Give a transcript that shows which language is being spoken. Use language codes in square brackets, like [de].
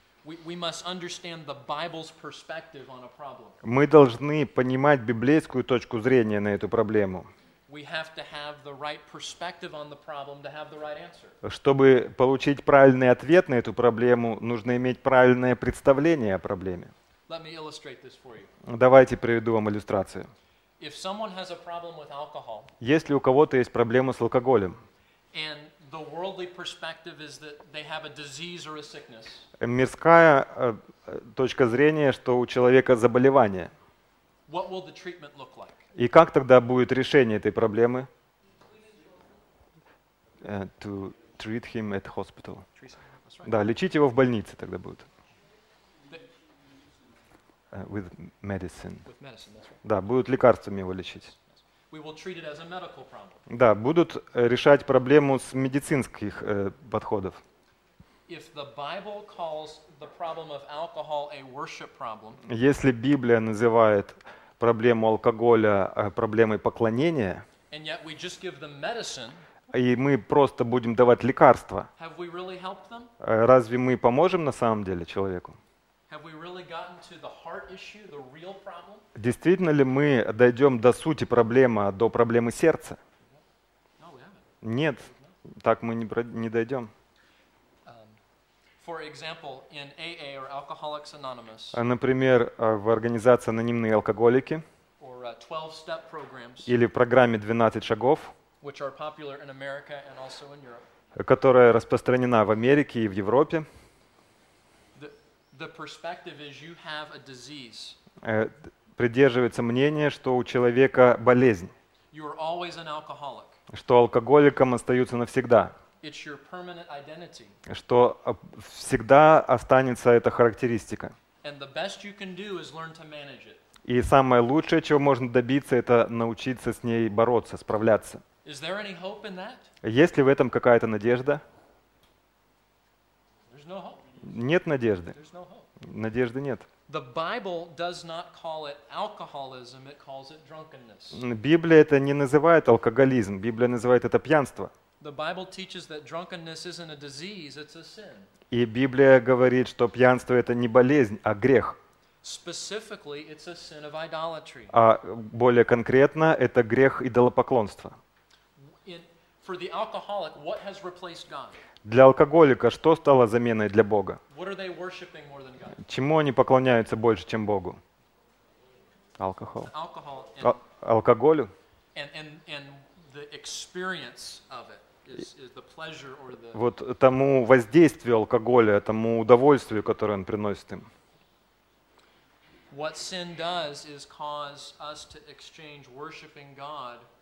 [en] We must understand the Bible's perspective on a problem. [ru] Мы должны понимать библейскую точку зрения на эту проблему. [en] We have to have the right perspective on the problem to have the right answer. [ru] Чтобы получить правильный ответ на эту проблему, нужно иметь правильное представление о проблеме. [en] Let me illustrate this for you. [ru] Давайте приведу вам иллюстрацию. [en] If someone has a problem with alcohol, [ru] если у кого-то есть проблема с алкоголем, [en] and the worldly perspective is that they have a disease or a sickness, [ru] мирская точка зрения, что у человека заболевание, [en] what will the treatment look like? [ru] И как тогда будет решение этой проблемы? [en] To treat him at hospital. [ru] Да, лечить его в больнице тогда будет. [en] With medicine. With medicine, that's right. [ru] Да, будут лекарствами его лечить. [en] we will treat it as a medical problem. [ru] Да, будут решать проблему с медицинских подходов. [en] If the Bible calls the problem of alcohol a worship problem, [ru] если Библия называет проблему алкоголя проблемой поклонения, [en] and yet we just give them medicine, [ru] и мы просто будем давать лекарства, [en] have we really helped them? [ru] Разве мы поможем на самом деле человеку? [en] Have we really gotten to the heart issue, the real problem? [ru] Действительно ли мы дойдем до сути проблемы, до проблемы сердца? [en] No, we haven't. [ru] Нет, так мы не дойдем. [en] For example, in AA or Alcoholics Anonymous, [ru] например, в организации «Анонимные алкоголики» [en] or 12-step programs, [ru] или в программе «12 шагов», [en] which are popular in America and also in Europe, [ru] которая распространена в Америке и в Европе, [en] the perspective is you have a disease. [ru] Придерживается мнение, что у человека болезнь, [en] you are always an alcoholic. [ru] Что алкоголиком остаются навсегда. [en] It's your permanent identity. [ru] Что всегда останется эта характеристика. [en] And the best you can do is learn to manage it. [ru] И самое лучшее, чего можно добиться, это научиться с ней бороться, справляться. [en] Is there any hope in that? [ru] Есть ли в этом какая-то надежда? [en] There's no hope. [ru] Нет надежды. [en] There's no hope. [ru] Надежды нет. [en] The Bible does not call it alcoholism, it calls it drunkenness. [ru] Библия это не называет алкоголизм, Библия называет это пьянство. [en] The Bible teaches that drunkenness isn't a disease, it's a sin. [ru] И Библия говорит, что пьянство это не болезнь, а грех. [en] Specifically, it's a sin of idolatry. [ru] А более конкретно, это грех идолопоклонства. [en] For the alcoholic, what has replaced God? [ru] Для алкоголика что стало заменой для Бога? [en] What are they worshiping more than God? [ru] Чему они поклоняются больше, чем Богу? Алкоголь. [en] Alcohol. [ru] Алкоголю. [en] And the experience of it is the pleasure or the. [ru] Вот тому воздействию алкоголя, тому удовольствию, которое он приносит им. [en] What sin does is cause us to exchange worshiping God.